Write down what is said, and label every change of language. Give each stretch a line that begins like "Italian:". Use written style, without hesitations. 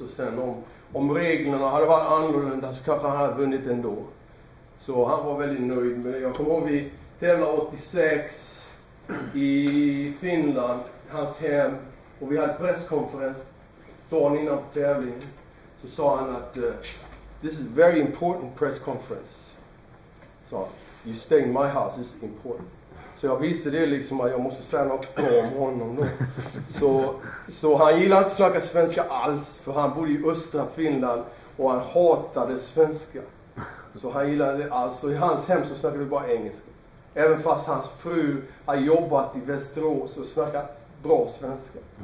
Swedish: Och sen om reglerna hade varit annorlunda, så kanske han hade vunnit ändå. Så han var väldigt nöjd med det. Jag kommer ihåg vi tävlar 86 i Finland, hans hem, och vi hade presskonferens dagen innan på tävlingen. Så sa han att
English: this is a very important press conference.
Swedish: Så
English: you staying my house is important.
Swedish: Så jag visste det liksom, att jag måste säga något om honom då. Så han gillade inte snacka svenska alls, för han bodde i östra Finland och han hatade svenska. Så han gillade det alls. Så i hans hem så snackade vi bara engelska. Även fast hans fru har jobbat i Västerås och snackat bra svenska.